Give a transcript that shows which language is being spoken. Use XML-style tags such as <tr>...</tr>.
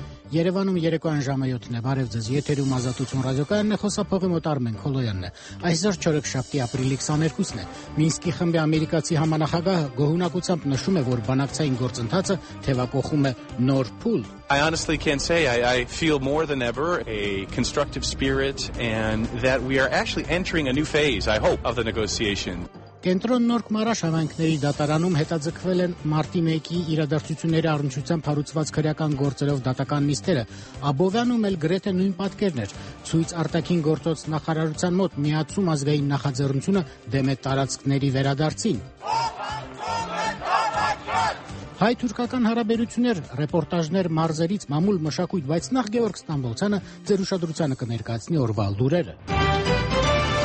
<hy>Երևանում երեկոյան ժամը 7-ն է, բարև ձեզ, եթերում ազատություն ռադիոկայանն է, խոսափողի մոտ Արմեն Խոլոյանն է, այսօր չորեքշաբթի ապրիլի 22-ն է, Մինսկի խմբի ամերիկացի համանախագահը գոհունակությամբ նշում է, որ բանակցային գործընթացը թևակոխում է նոր փուլ.</hy> <en>I honestly can't say I feel more than ever a constructive spirit and that we are actually entering a new phase, I hope, of the negotiation.</en> <hy>Կենտրոն նոր կմարաշ ավանքների դատարանում հետաձգվել են մարտի 1-ի իրադարձությունների առնչությամբ հարուցված քրեական գործերով դատական նիստերը։ Աբովյանում էլ գրեթե նույն պատկերն էր։ Ցույց արտաքին գործոց նախարարության մոտ միացում ազգային նախաձեռնությունը դեմ է տարածքների վերադարձին։ Հայ-թուրքական հարաբերություններ, ռեպորտաժներ մարզերից, մամուլ մշակույթ, բայց նախ Գևորգ Ստամբոլցյանը ձեր ուշադրությանը կներկայացնի օրվա լուրերը։</hy>